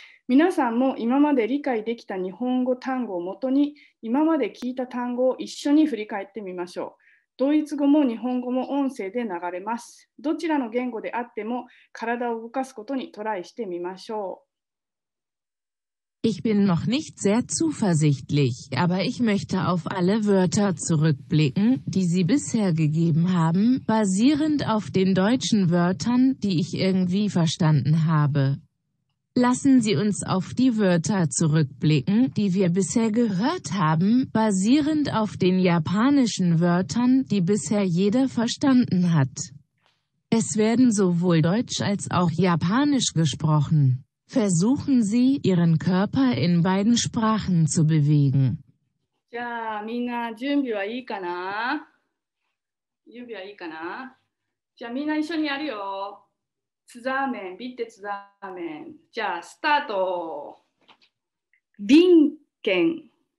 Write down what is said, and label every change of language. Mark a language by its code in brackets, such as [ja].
[ja] 皆さんも今まで理解できた日本語単語をもとに今まで聞いた単語を一緒に振り返ってみましょう。ドイツ語も日本語も音声で流れます。どちらの言語であっても体を動かすことにトライしてみましょう。 [de] Ich bin noch nicht sehr zuversichtlich, aber ich möchte auf alle Wörter zurückblicken, die Sie bisher gegeben haben, basierend auf den deutschen Wörtern, die ich irgendwie verstanden habe. Lassen Sie uns auf die Wörter zurückblicken, die wir bisher gehört haben, basierend auf den japanischen Wörtern, die bisher jeder verstanden hat. Es werden sowohl Deutsch als auch Japanisch gesprochen. Versuchen Sie, Ihren Körper in beiden Sprachen zu bewegen. [ja] じゃあ、みんな準備はいいかな？準備はいいかな？じゃあ、みんな一緒にやるよ。つざめん、 [de] ビッテつざめん。 [ja] じゃあ、スタート。ビンケン。